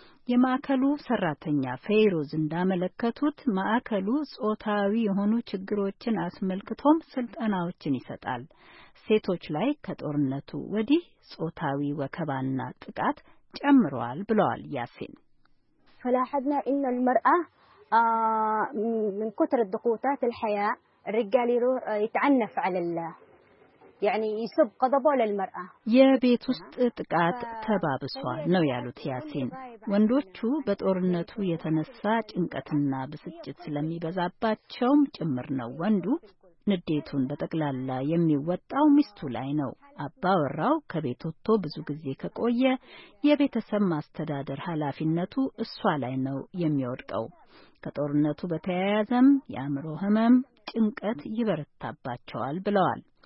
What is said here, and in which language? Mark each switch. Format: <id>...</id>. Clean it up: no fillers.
<am>የማዕከሉ ሰራተኛ ፌይሮዝ እንዳመለከቱት ማዕከሉ ጾታዊ የሆኑ ችግሮችን አስመልክቶም ስልጠናዎችን ይሰጣል። ሴቶች ላይ ከጦርነቱ ወዲህ ጾታዊ ወከባና ጥቃት ጨምሯል ብለዋል ያሲን።</am> <ar>فلاحظنا ان المرأة من كثر الضغوطات الحياة الرجال يتعنف على الله يعني يسب غضبه للمرأة</ar> <am>የቤት ውስጥ ጥቃት ተባብሷል ነው ያሉት ያሲን። ወንዶቹ በጦርነቱ የተነሳ ጭንቀትና ብስጭት ስለሚበዛባቸው ጭምር ነው ወንዱ ንዴቱን በጠቅላላ የሚወጣው ሚስቱ ላይ ነው። አባወራው ከቤት ወጥቶ ብዙ ጊዜ ከቆየ የቤተሰብ ማስተዳደር ኃላፊነቱ እሷ ላይ ነው የሚወድቀው። ከጦርነቱ በተያያዘም የአእምሮ ህመም ጭንቀት ይበረታባቸዋል ብለዋል።</am>